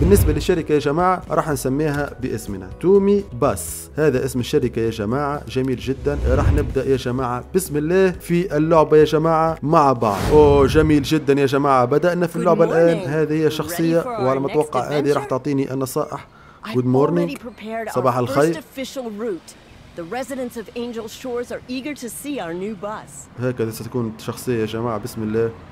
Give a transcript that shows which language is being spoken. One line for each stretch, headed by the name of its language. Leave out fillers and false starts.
Arabic: بالنسبة للشركة يا جماعة راح نسميها باسمنا تومي باس، هذا اسم الشركة يا جماعة، جميل جدا. راح نبدأ يا جماعة بسم الله في اللعبة يا جماعة مع بعض. أوه جميل جدا يا جماعة، بدأنا في اللعبة الآن. هذه هي الشخصية، وعلى ما أتوقع هذه راح تعطيني النصائح.
English: Good morning.
Arabic: صباح الخير.
English: First official route. The residents of Angel Shores are eager to see our new bus.
Arabic: هكذا ستكون شخصية يا جماعة بسم الله.